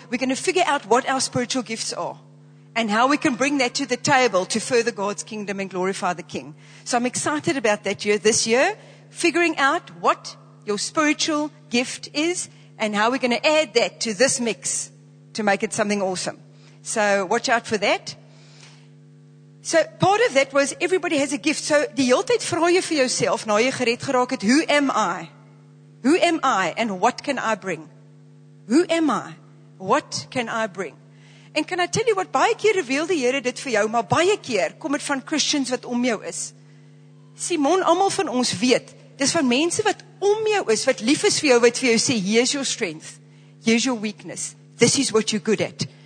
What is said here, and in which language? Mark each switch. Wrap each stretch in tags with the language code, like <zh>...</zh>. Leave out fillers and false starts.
<en>We're going to figure out what our spiritual gifts are and how we can bring that to the table to further God's kingdom and glorify the King. So I'm excited about that year, this year, figuring out what your spiritual gift is and how we're going to add that to this mix to make it something awesome. So watch out for that. So part of that was everybody has a gift.</en> <af>So die hele tyd vra jy vir jouself, nou jy gered geraak het,</af> <en>who am I? Who am I and what can I bring? Who am I? What can I bring? And can I tell you what,</en> <af>baie keer reveal die Here dit vir jou, maar baie keer kom dit van Christians wat om jou is. Simon, almal van ons weet, dis van mense wat om jou is, wat lief is vir jou, wat vir jou sê,</af> <en>here's your strength, here's your weakness, this is what you're good at.</en>